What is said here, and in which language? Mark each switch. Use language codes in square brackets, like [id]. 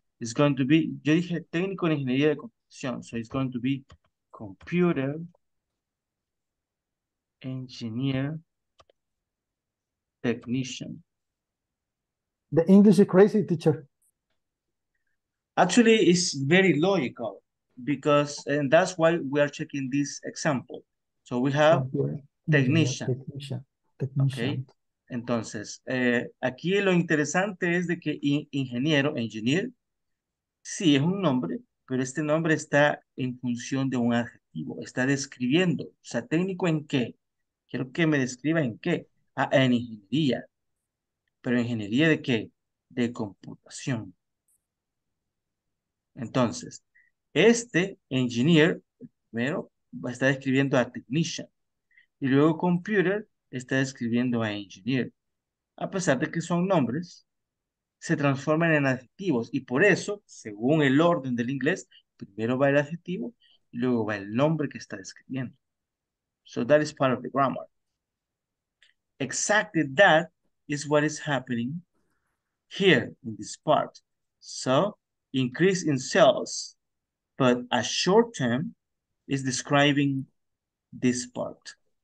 [en] It's going to be, [es] yo dije técnico en ingeniería de computación, [en] so it's going to be computer engineer technician. The English is crazy, teacher. Actually, it's very logical, because, and that's why we are checking this example. So we have technician. Okay. [es] Entonces, aquí lo interesante es de que engineer, sí es un nombre, pero este nombre está en función de un adjetivo, está describiendo, o sea, técnico en qué. Quiero que me describa en qué. Ah, en ingeniería. ¿Pero ingeniería de qué? De computación. Entonces, este engineer, primero, está describiendo a technician. Y luego computer está describiendo a engineer. A pesar de que son nombres, se transforman en adjetivos. Y por eso, según el orden del inglés, primero va el adjetivo y luego va el nombre que está describiendo. [en] So that is part of the grammar. Exactly that is what is happening here in this part. So increase in sales, but a short term is describing this part.